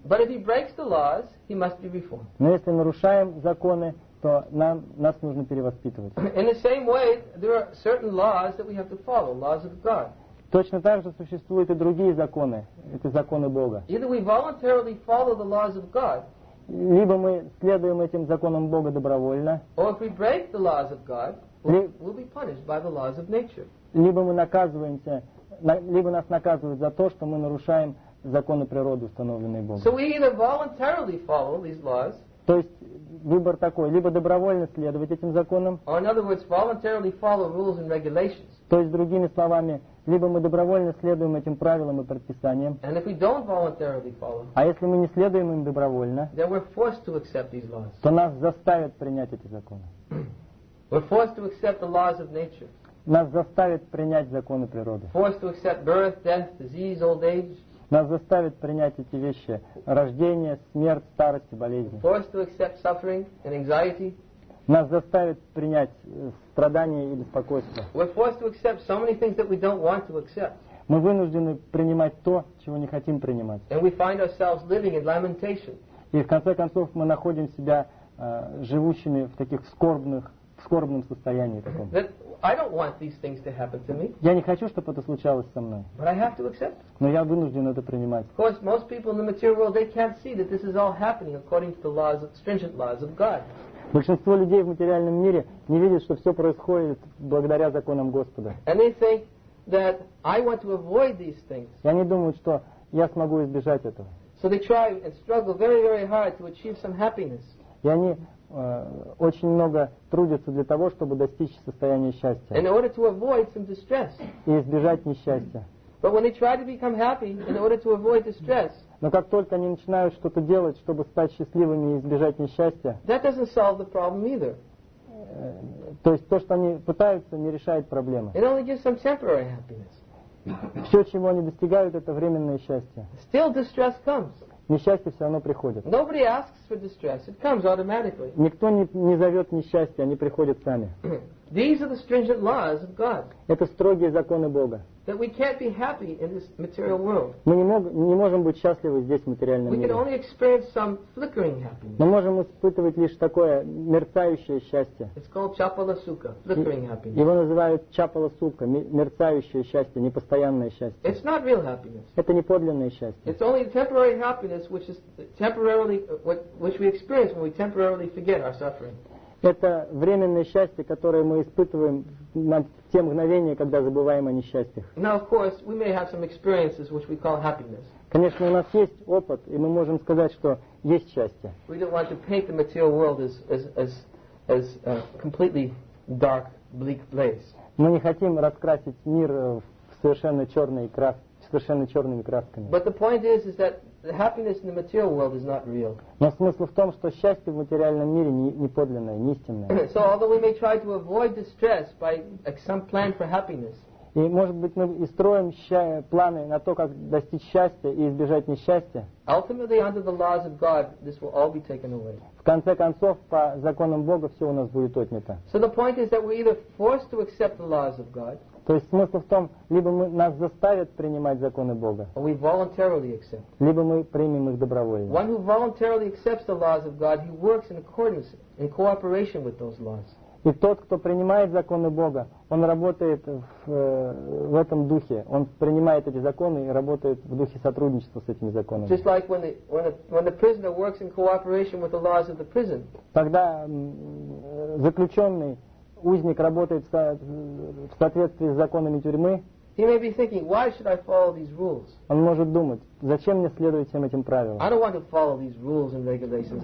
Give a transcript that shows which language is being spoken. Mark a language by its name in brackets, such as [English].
[English] But if he breaks the laws, he must be reformed. [Russian] Но если нарушаем законы, то нас нужно перевоспитывать. [English] In the same way, there are certain laws that we have to follow, laws of God. [Russian] Точно так же существуют и другие законы, это законы Бога. [English] Either we voluntarily follow the laws of God, [Russian] либо мы следуем этим законам Бога добровольно, [English] or if we break the laws of God, we'll be punished by the laws of nature. [Russian] Либо нас наказывают за то, что мы нарушаем законы природы, установленные Богом. [English] So we either voluntarily follow these laws, [Russian] то есть выбор такой, либо добровольно следовать этим законам, [English] or in other words, voluntarily follow rules and regulations. [Russian] То есть другими словами, либо мы добровольно следуем этим правилам и предписаниям, [English] and if we don't voluntarily follow, [Russian] а если мы не следуем им добровольно, [English] then we're forced to accept these laws. [Russian] То нас заставят принять эти законы. [English] We're forced to accept the laws of nature. [Russian] Нас заставят принять законы природы. [English] Forced to accept birth, death, disease, old age. [Russian] Нас заставят принять эти вещи: рождение, смерть, старость и болезни. [English] Forced to accept suffering and anxiety. [Russian] Нас заставят принять страдания и беспокойство. [English] We're forced to accept so many things that we don't want to accept. [Russian] Мы вынуждены принимать то, чего не хотим принимать. [English] And we find ourselves living in lamentation. [Russian] И в конце концов мы находим себя живущими в таких скорбном состоянии таком. [English] That I don't want these things to happen to me. [Russian] Я не хочу, чтобы это случалось со мной. [English] But I have to accept. [Russian] Но я вынужден это принимать. [English] Of course, most people in the material world, they can't see that this is all happening according to the laws, stringent laws of God. [Russian] Большинство людей в материальном мире не видят, что все происходит благодаря законам Господа. [English] And they think that I want to avoid these things. [Russian] И они думают, что я смогу избежать этого. [English] So they try and struggle very, very hard to achieve some happiness. [Russian] И они очень много трудятся для того, чтобы достичь состояния счастья. [English] In order to avoid some distress. [Russian] И избежать несчастья. [English] But when they try to become happy in order to avoid distress. [Russian] Но как только они начинают что-то делать, чтобы стать счастливыми и избежать несчастья, [English] that doesn't solve the problem either. [Russian] То есть то, что они пытаются, не решает проблемы. [English] It only gives some temporary happiness. [Russian] Все, чего они достигают, это временное счастье. [English] Still distress comes. [Russian] Несчастье все равно приходит. [English] Nobody asks for distress. It comes automatically. [Russian] Никто не зовет несчастье, они приходят сами. [English] These are the stringent laws of God. [Russian] Это строгие законы Бога. [English] That we can't be happy in this material world. [Russian] Мы не можем быть счастливы здесь, в материальном мире. [English] We can only experience some flickering happiness. [Russian] Мы можем испытывать лишь такое мерцающее счастье. [English] It's called chapala sukha, flickering happiness. [Russian] Его называют chapala sukha, мерцающее счастье, непостоянное счастье. [English] It's not real happiness. [Russian] Это не подлинное счастье. [English] It's only temporary happiness, which is temporarily, which we experience when we temporarily forget our suffering. [Russian] Это временное счастье, которое мы испытываем на те мгновения, когда забываем о несчастьях. [English] Now, of course, we may have some experiences which we call happiness. [Russian] Конечно, у нас есть опыт, и мы можем сказать, что есть счастье. [English] We don't want to paint the material world as a completely dark, bleak place. [Russian] Мы не хотим раскрасить мир в совершенно черные краски. Совершенно черными красками. [English] But the point is that the happiness in the material world is not real. [Russian] Но смысл в том, что счастье в материальном мире не подлинное, не истинное. [English] So although we may try to avoid distress by some plan for happiness. [Russian] И может быть мы и строим планы на то, как достичь счастья и избежать несчастья. [English] Ultimately, under the laws of God, this will all be taken away. [Russian] В конце концов, по законам Бога, все у нас будет отнято. [English] So the point is that we're either forced to accept the laws of God. [Russian] То есть смысл в том, либо нас заставят принимать законы Бога, либо мы примем их добровольно. И тот, кто принимает законы Бога, он работает в этом духе. Он принимает эти законы и работает в духе сотрудничества с этими законами. [English] Just like when the prisoner works in cooperation with the laws of the prison. [Russian] Тогда заключенный узник работает в соответствии с законами тюрьмы. [English] He may be thinking, why should I follow these rules? [Russian] Он может думать, зачем мне следовать всем этим правилам? [English] I don't want to follow these rules and regulations.